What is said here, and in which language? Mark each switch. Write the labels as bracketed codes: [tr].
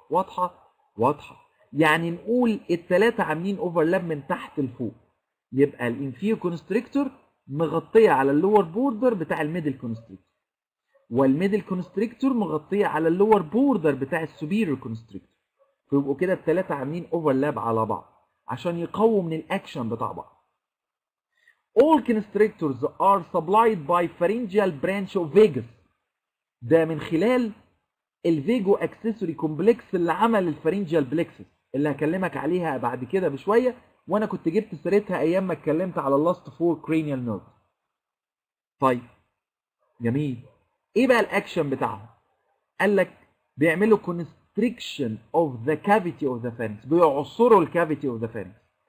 [ar] واضحه؟ واضحه. يعني نقول الثلاثه عاملين اوفرلاب من تحت لفوق، يبقى الانفيريور كونستريكتور مغطيه على اللور بوردر بتاع الميدل كونستريكتور، والميدل كونستريكتور مغطيه على اللور بوردر بتاع السوبيريور كونستريكتور، فيبقوا كده الثلاثه عاملين اوفرلاب على بعض عشان يقووا من الاكشن بتاع بعض. [en] All constrictors are supplied by pharyngeal branch of vagus. [ar] ده من خلال الفيجو اكسسوري كومبلكس اللي عمل الفارينجيال بلكسس اللي هكلمك عليها بعد كده بشويه، وانا كنت جبت سيرتها ايام ما اتكلمت على اللاست فور كرينيال نيرف. طيب جميل. ايه بقى الاكشن بتاعهم؟ قال لك بيعملوا كونستريكشن اوف ذا كافيتي اوف ذا فارينكس، بيعصروا الكافيتي اوف ذا فارينكس.